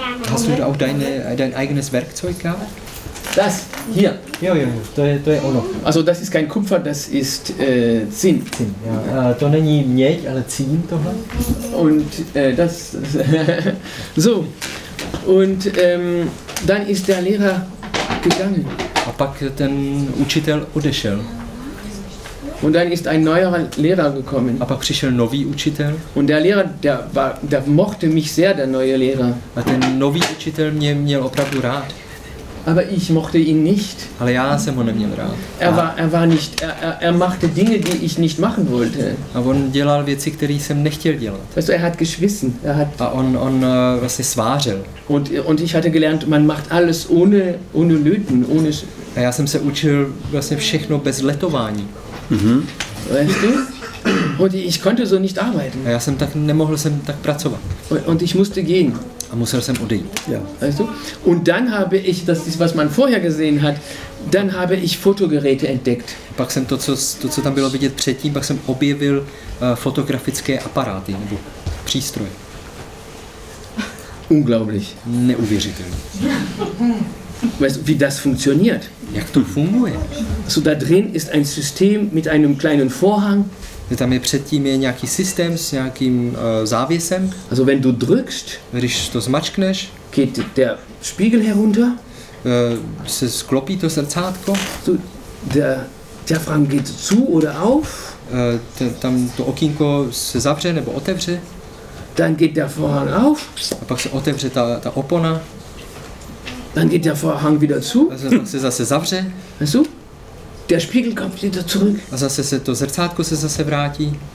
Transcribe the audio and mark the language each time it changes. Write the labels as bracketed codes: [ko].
[de] Hast du auch dein eigenes Werkzeug gehabt? Das hier. [cs] Jo, to je ono. [de] Also das ist kein Kupfer, das ist Zinn. Zinn, ja. [cs] To není měď, ale Zinn tohle. [de] Und das so. Und dann ist der Lehrer gegangen. [cs] A pak ten učitel odešel. [de] Und dann ist ein neuer Lehrer gekommen. [cs] A pak přišel nový učitel. [de] Und der Lehrer, der mochte mich sehr, der neue Lehrer. [cs] A ten nový učitel mě měl opravdu rád. [de] Aber ich mochte ihn nicht. [cs] Ale já jsem ho neměl rád. [de] Er machte Dinge, die ich nicht machen wollte. [cs] A on dělal věci, které jsem nechtěl dělat. [de] Weißt du, er hat geschwissen. [cs] A on vlastně svářil. [de] Und ich hatte gelernt, man macht alles ohne löten, ohne. [cs] A já jsem se učil vlastně všechno bez letování. [de] Weißt du? Und ich konnte so nicht arbeiten. [cs] A já jsem tak nemohl jsem tak pracovat. [de] Und ich musste gehen. [cs] A musel jsem odejít. [de] Ja. Weißt du? Und dann habe ich, das ist, was man vorher gesehen hat, dann habe ich Fotogeräte entdeckt. [cs] Pak jsem to, co tam bylo vidět předtím, pak jsem objevil fotografické aparáty nebo přístroje. [de] Unglaublich. [cs] Neuvěřitelné. [de] Weißt du, wie das funktioniert? [cs] Jak to funguje? [de] So da drin ist ein System mit einem kleinen Vorhang. [cs] Tam je předtím je nějaký systém s nějakým závěsem. [de] Also wenn du drückst, [cs] když to zmačkneš, [de] geht der Spiegel herunter. [cs] Se sklopí to zrcátko. [de] So, der Diaphragm geht zu oder auf. [cs] Tam to okýnko se zavře nebo otevře. [de] Dann geht der Vorhang auf. [cs] A pak se otevře ta opona. [de] Dann geht der Vorhang wieder zu. [cs] Se zase zavře. [de] Weißt du? Der Spiegel kommt wieder zurück. [cs] A zase se to zrcátko se zase vrátí.